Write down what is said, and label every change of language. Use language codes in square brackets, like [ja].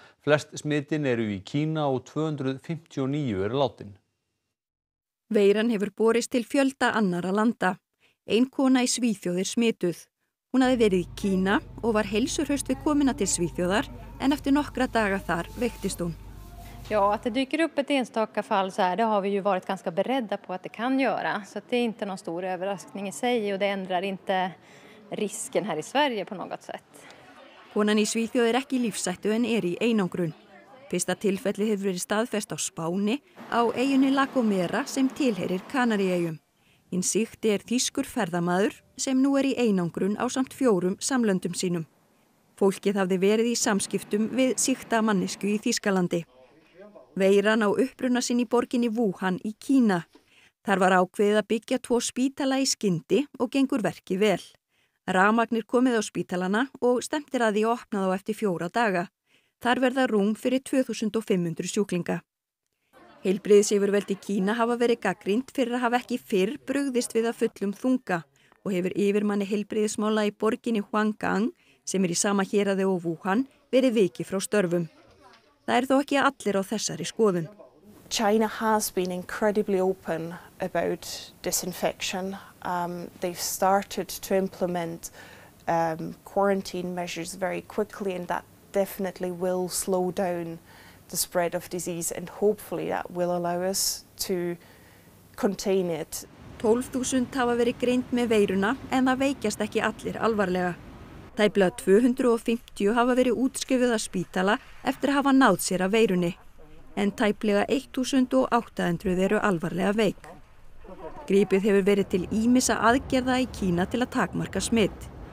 [is] Flest smitin eru í Kína og 259 eru látin. Veiran hefur borist til fjölda annarra landa. Ein kona í Svíþjóð er smituð. Hún hafði verið í Kína og var heilsuhraust við komuna til Svíþjóðar en eftir nokkra daga þar veiktist hún. [sv] Ja, att det dyker upp ett enstaka fall så här, det har vi ju varit ganska beredda på att det kan göra. Så att det är inte någon stor överraskning i sig och det ändrar inte risken här i Sverige på något sätt. [is] Konan í Svíþjóð er ekki lífshættu en er í einangrun. Fyrsta tilfelli hefur verið staðfest á Spáni, á eyjunni La Gomera sem tilheyrir Kanaríeyjum. Hinn sýkti er þýskur ferðamaður sem nú er í einangrun ásamt fjórum samlöndum sínum. Fólkið hafði verið í samskiptum við sýkta mannesku í Þýskalandi. Veiran á uppruna sinn í borginni Wuhan í Kína. Þar var ákveðið að byggja tvo spítala í skyndi og gengur verki vel. Rafmagnir komið á spítalana og stefnt er að því opnað á eftir fjóra daga. Þar verða rúm fyrir 2500 sjúklinga. Heilbrigðisyfirvöld í Kína hafa verið gagnrýnd fyrir að hafa ekki fyrr brugðist við að fullum þunga og hefur yfirmanni heilbrigðismála í borginni Huanggang, sem er í sama héraði og Wuhan, verið vikið frá störfum. Það er þó ekki allir á þessari skoðun. [en] China has been incredibly open about disinfection. They've started to implement quarantine measures very quickly and that definitely will slow down the spread of disease and hopefully that will allow us to contain it. [is] 12.000 hafa verið greind með veiruna en það veikjast ekki allir alvarlega. Tæplega 250 hafa verið útskrifuð af spítala eftir að hafa náð sér af veirunni. En tæplega 1.800 eru alvarlega veik. Grípið hefur verið til ýmissa aðgerða í Kína til að takmarka smit.